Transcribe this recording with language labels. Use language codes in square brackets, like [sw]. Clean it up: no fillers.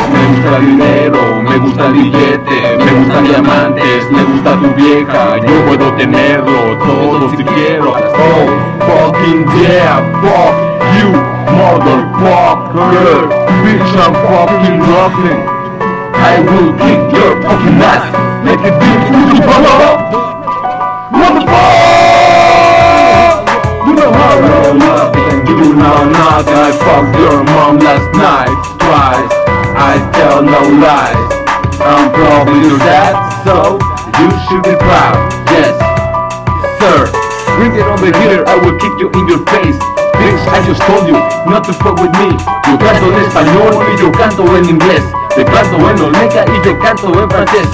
[es] Me gusta dinero, me gusta billete, me gustan diamantes, me gusta tu vieja. Yo puedo tenerlo todo si quiero. [en] Oh, fucking yeah, fuck you, motherfucker, bitch, I'm fucking nothing. I will kick your fucking ass, make it big, you know how I love nothing, you know how I love nothing, you know nothing. I fucked your mom last night, twice, I tell no lies. I'm probably your dad, so you should be proud, yes, sir. Bring it over here, I will kick you in your face. Bitch, I just told you not to fuck with me. [es] Yo canto en español y yo canto en inglés. Te canto en Olmeca y yo canto en francés.